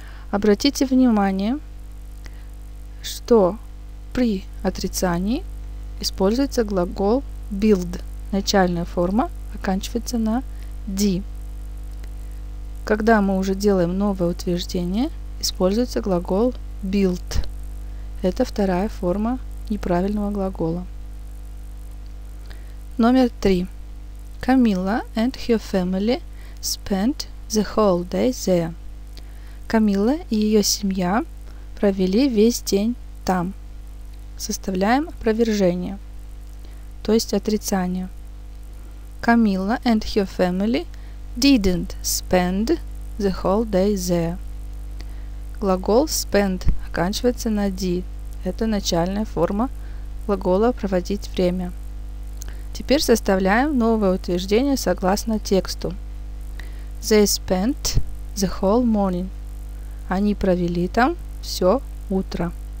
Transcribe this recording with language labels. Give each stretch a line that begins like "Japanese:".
Russian: Обратите внимание, что при отрицании используется глагол build. Начальная форма оканчивается на d. Когда мы уже делаем новое утверждение, используется глагол build. Это вторая форма неправильного глагола. Номер 3.
English: Camilla and her family spent the whole day there.
Russian: Camilla и ее семья провели весь день там. Составляем опровержение, то есть отрицание.
English: Camilla and her family didn't spend the whole day there.
Russian: Глагол spend оканчивается на d. Это начальная форма глагола «проводить время». Теперь составляем новое утверждение согласно тексту.
English: They spent the whole morning.
Russian: Они провели там все утро.